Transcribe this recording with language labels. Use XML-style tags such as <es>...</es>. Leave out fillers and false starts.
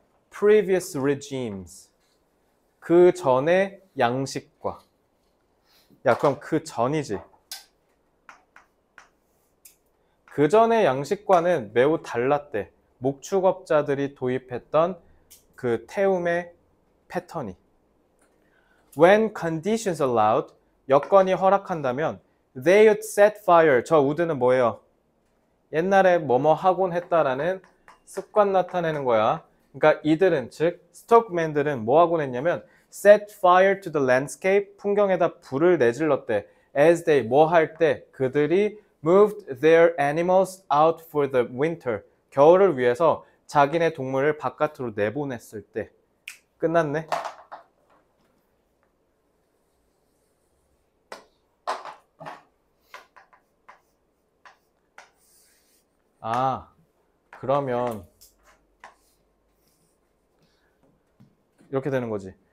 <en>previous regimes.</en> <ko>그 전에 양식과. 야, 그럼 그 전이지. 그 전에 양식과는 매우 달랐대. 목축업자들이 도입했던 그 태움의 패턴이.</ko> <en>When conditions allowed,</en> <ko>여건이 허락한다면,</ko> <en>They would set fire.</en> <ko>저 우드는 뭐예요? 옛날에 뭐뭐 하곤 했다라는 습관 나타내는 거야. 그러니까 이들은, 즉, 스톡맨들은 뭐 하곤 했냐면,</ko> <en>set fire to the landscape.</en> <ko>풍경에다 불을 내질렀대.</ko> <en>As they,</en> <ko>뭐할 때, 그들이</ko> <en>moved their animals out for the winter.</en> <ko>겨울을 위해서 자기네 동물을 바깥으로 내보냈을 때. 끝났네. 아, 그러면 이렇게 되는 거지.</ko>